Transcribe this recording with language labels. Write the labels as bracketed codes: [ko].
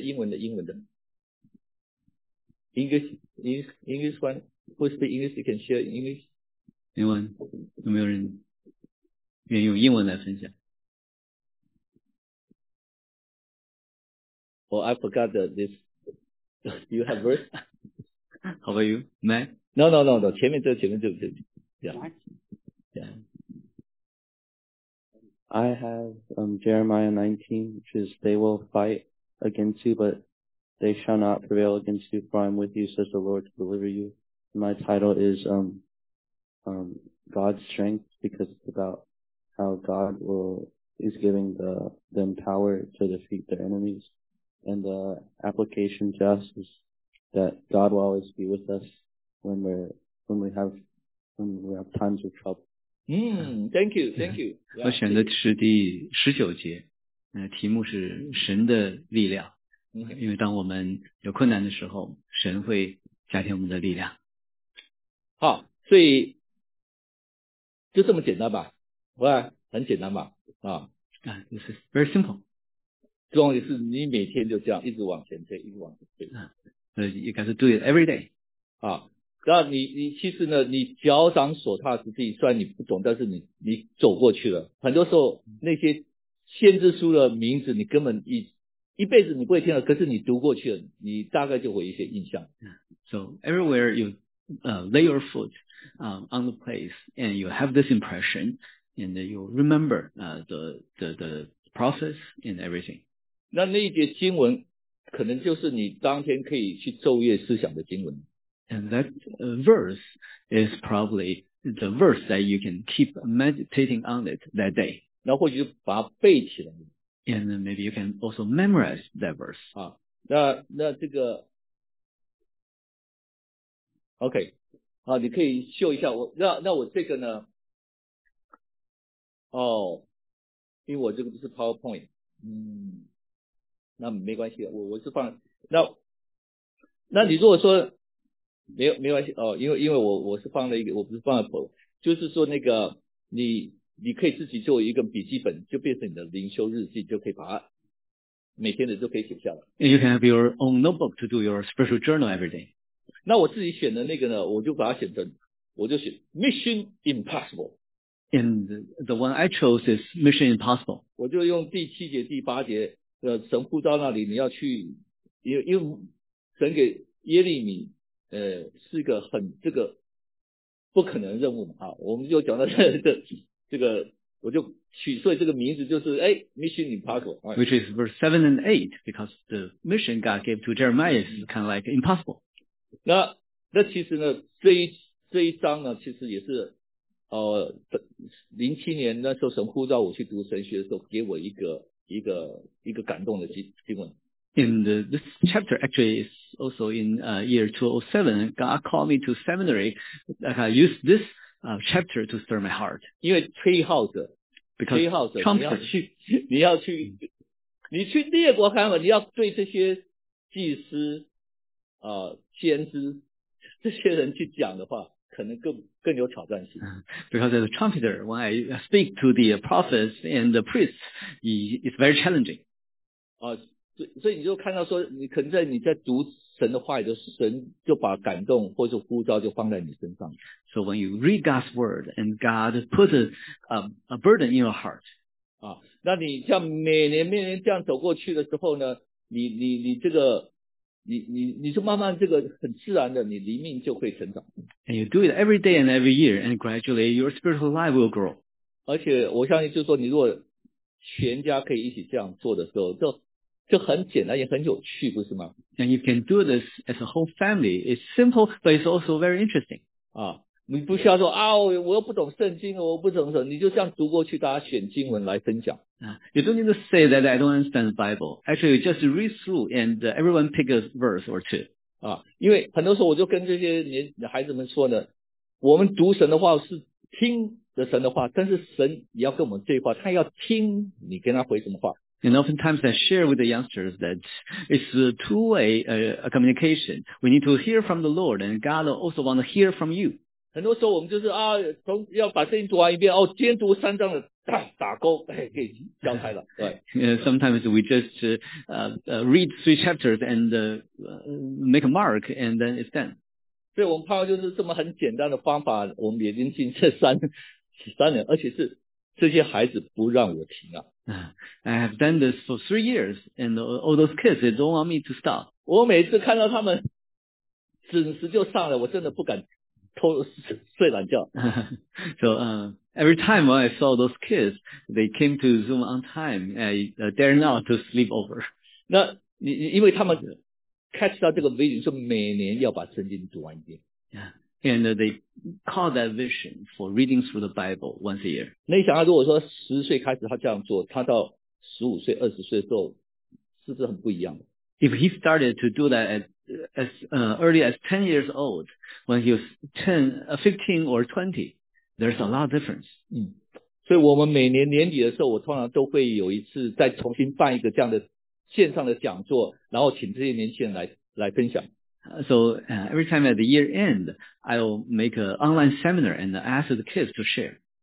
[en] English one, who speak English, you can share English. Anyone? [zh] 有没有人愿意用英文来分享？ [en] Oh, I forgot this. Do you have verse? How about you, Matt? No. [zh] 前面这个。 [en] I have Jeremiah 19, which is, they will fight against you, but they shall not prevail against you, for I am with you, says the Lord, to deliver you. My title is God's Strength, because it's about how God is giving them power to defeat their enemies. and the application to us is that God will always be with us when we have times of trouble. Thank you, thank you. Yeah, [zh] 我选的是第十九节，题目是神的力量。 [en] Okay. [zh] 因为当我们有困难的时候，神会加添我们的力量。好，所以就这么简单吧，喂，很简单吧？啊，啊，就是 [en] very simple。 [zh] 重要的是你每天就这样一直往前推，一直往前推。 [en] You got to do it every day. [zh] 啊，那你其实呢，你脚掌所踏之地，虽然你不懂，但是你走过去了。很多时候那些先知书的名字，你根本一辈子你不会听了，可是你读过去了，你大概就会一些印象。 [en] So everywhere you lay your foot on the place, and you have this impression, and you remember the process and everything. [zh] 那一节经文可能就是你当天可以去昼夜思想的经文。 [en] And that verse is probably the verse that you can keep meditating on it that day. [zh] 那或许把它背起来。 [en] And maybe you can also memorize that verse. [zh] 啊，那这个 ，OK， 好，你可以秀一下我。那我这个呢？哦，因为我这个不是 PowerPoint， 那没关系，我是放那你如果说没关系哦，因为我是放了一个，我不是放了 PowerPoint， 就是说那个你可以自己做一个笔记本，就变成你的灵修日记，就可以把它每天的都可以写下来。 [en] You can have your own notebook to do your spiritual journal every day. [zh] 那我自己选的那个呢，我就把它选成，我就选 Mission Impossible. [en] And the one I chose is Mission Impossible. [zh] 我就用第七节、第八节，神呼召那里你要去，因为神给耶利米，是一个很这个不可能任务嘛，我们就讲到这个我就取所以这个名字就是哎 Mission Impossible、right. [en] Which is verse 7 and 8 because the mission God gave to Jeremiah is kind of like impossible. [zh] 那其实呢这一章呢其实也是07年那时候神呼召我去读神学的时候给我一个感动的经文。 [en] And this chapter actually is also in year 2007 God called me to seminary like I used thisChapter to stir my heart. [zh] 因为吹号者，吹号者，你要去，你去列国看嘛，你要对这些祭司、先知这些人去讲的话，可能更有挑战性。 [en] Because as a trumpeter, when I speak to the prophets and the priests, it's very challenging. [zh] 所以你就看到说，你可能在读神的话语的时候，神就把感动或者呼召就放在你身上。 [en] So when you read God's word and God puts a burden in your heart, [zh] 啊，那你像每年这样走过去的时候呢，你这个你就慢慢这个很自然的，你灵命就会成长。 [en] And you do it every day and every year, and gradually your spiritual life will grow. [zh] 而且我相信，就是说你如果全家可以一起这样做的时候，就很简单，也很有趣，不是吗？ [en] And you can do this as a whole family. It's simple, but it's also very interesting. [zh] 啊，你不需要说啊，我又不懂圣经，我不懂什么，你就这样读过去，大家选经文来分享。 [en] You don't need to say that I don't understand the Bible. Actually, you just read through and everyone pick a verse or two. [zh] 啊，因为很多时候我就跟这些孩子们说呢，我们读神的话是听着神的话，但是神也要跟我们对话，他要听你跟他回什么话。 [en] And oftentimes I share with the youngsters that it's a two-way communication. We need to hear from the Lord, and God also want to hear from you. [zh] 很多时候我们就是啊，从要把圣经读完一遍，哦，今天读三章的，打勾，哎，可以交差了。对。 [en] Sometimes we just read three chapters and make a mark, and then it's done. [zh] 所以我们盼望就是这么很简单的方法，我们也经进这三年，而且是这些孩子不让我停啊。 [en] I have done this for 3 years, and all those kids, they don't want me to stop. [zh] 我每次看到他们准时就上来，我真的不敢偷睡懒觉。 [en] So, every time when I saw those kids, they came to Zoom on time, I dare not to sleep over. [zh] 那因为他们 catch 到这个 vision, 说每年要把圣经读完一遍。 [en] And they call that vision for reading through the Bible once a year. [zh] 那你想啊，如果说10岁开始他这样做，他到15岁、20岁的时候，是不是很不一样的？ [en] If he started to do that as early as 10 years old, when he was 10, 15 or 20, there's a lot of difference. [zh] 嗯，所以我们每年年底的时候，我通常都会有一次再重新办一个这样的线上的讲座，然后请这些年轻人来分享。 [en] So every time at the year end, I'll make an online seminar and ask the kids to share.